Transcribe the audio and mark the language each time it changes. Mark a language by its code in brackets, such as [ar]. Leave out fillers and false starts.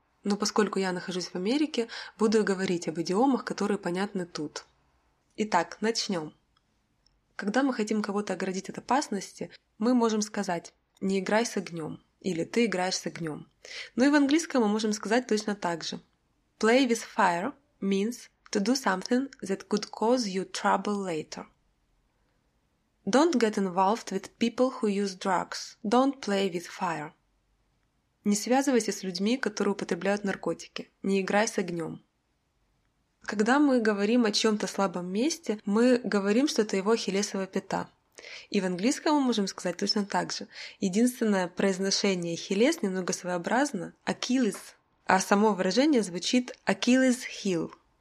[ru] Но поскольку я нахожусь в Америке, буду говорить об идиомах, которые понятны тут. Итак, начнем. Когда мы хотим кого-то оградить от опасности, мы можем сказать: «Не играй с огнем» или «Ты играешь с огнем». Ну и в английском мы можем сказать точно так же. [en] «Play with fire means to do something that could cause you trouble later». «Don't get involved with people who use drugs. Don't play with fire». [ru] «Не связывайся с людьми, которые употребляют наркотики. Не играй с огнем». Когда мы говорим о чем-то слабом месте, мы говорим, что это его ахиллесова пята. И в английском мы можем сказать точно так же. Единственное произношение «Achilles» немного своеобразно – «Achilles», а само выражение звучит «Achilles heel».